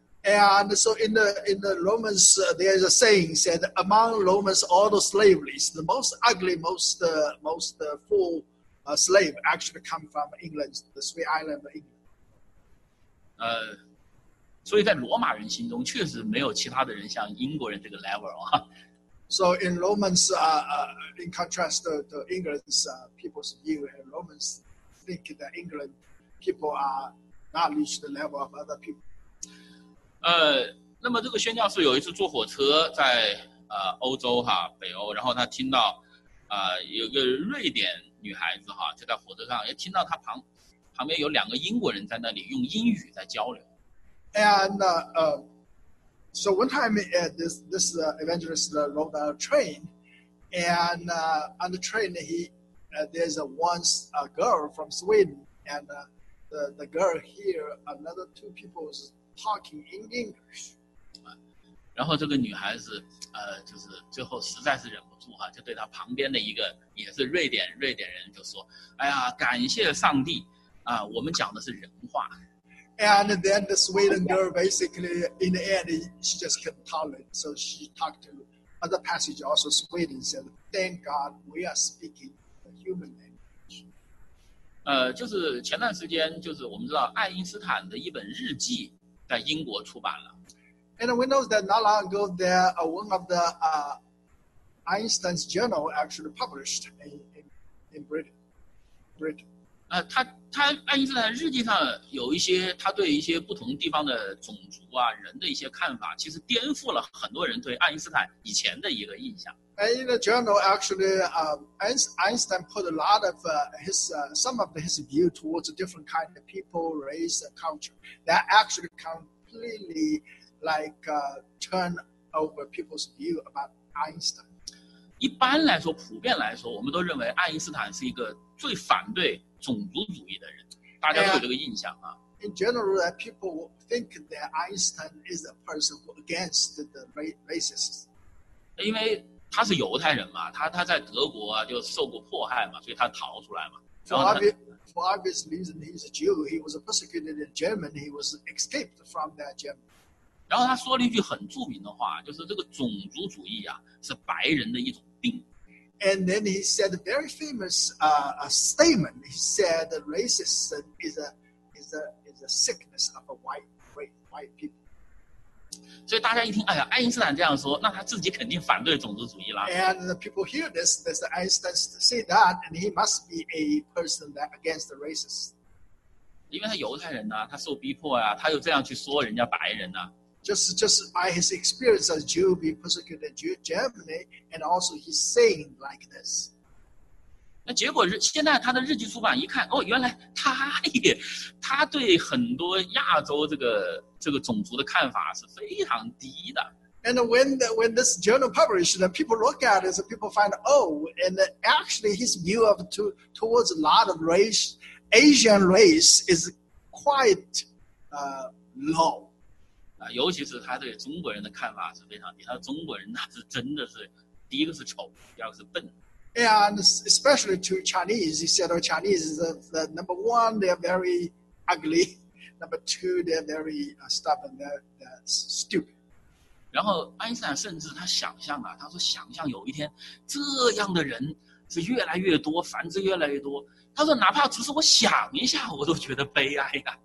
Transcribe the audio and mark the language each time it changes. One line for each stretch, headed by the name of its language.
English: And so in the Romans, there's a saying said, among Romans, all the slaves, the most ugly, most fool. A slave actually come from England, the Three Islands of England.
Chinese: 所以在罗马人心中确实没有其他的人像英国人这个 level 啊。
English: So in Romans, in contrast to the England's people's view, and Romans think that England people are not reached the level of other people.
Chinese: 那么这个宣教士有一次坐火车在欧洲哈北欧，然后他听到有个瑞典。女孩子哈就在火车上，也听到她旁边有两个英国人在那里用英语在交流。
English: And so one time this evangelist rode on a train, and on the train there's a girl from Sweden, and the girl hear another two people talking in English.
Chinese: 然后这个女孩子就是最后实在是忍不住哈，就对她旁边的一个。也是瑞典人就说，哎呀，感谢上帝，我们讲的是人话。
English: And then the Sweden girl basically in the end she just kept talking, so she talked to other passage also Sweden said, "Thank God we are speaking the human language."
Chinese: 就是前段时间就是我们知道爱因斯坦的一本日记在英国出版了。
English: And we know that not long ago there one of the Einstein's journal actually published in Britain.
Chinese: 他爱因斯坦日记上有一些他对一些不同地方的种族啊人的一些看法，其实颠覆了很多人对爱因斯坦以前的一个印象。
English: And in the journal, actually, Einstein put a lot of some of his view towards different kind of people, race, and culture that actually completely turn over people's view about Einstein.
Chinese: 一般来说，普遍来说，我们都认为爱因斯坦是一个最反对种族主义的人，大家都有这个印象啊。
English: In general, people think that Einstein is a person who against the racists.
Chinese: 因为他是犹太人嘛，他在德国啊就受过迫害嘛，所以他逃出来嘛。
English: For obvious reason, he's a Jew. He was persecuted in Germany. He was escaped from that Germany.
Chinese: 然后他说了一句很著名的话，就是这个种族主义啊是白人的一种病。
English: And then he said a very famous statement. He said racism is a sickness of white people.
Chinese: 所以大家一听，哎呀，爱因斯坦这样说，那他自己肯定反对种族主义了。
English: And the people hear this, that Einstein say that, and he must be a person that against the racists.
Chinese: 因为他犹太人呐、他受逼迫呀、他又这样去说人家白人呐、
English: Just by his experience as Jew being persecuted in Germany, and also he's saying like this.
Chinese: 那结果是现在他的日记出版一看，哦，原来他对很多亚洲这个种族的看法是非常低的。
English: And when this journal published, the people look at it, the people find, oh, and actually his view of towards a lot of race, Asian race is quite low.
Chinese: 尤其是他对中国人的看法是非常低，他中国人那是真的是，第一个是丑，第二个是笨。
English: And especially to Chinese, he said, Chinese is the number one, they're very ugly. Number two, they're very stubborn, they're stupid.
Chinese: 然后爱因斯坦甚至他想象啊，他说想象有一天这样的人是越来越多，繁殖越来越多。他说哪怕只是我想一下，我都觉得悲哀的。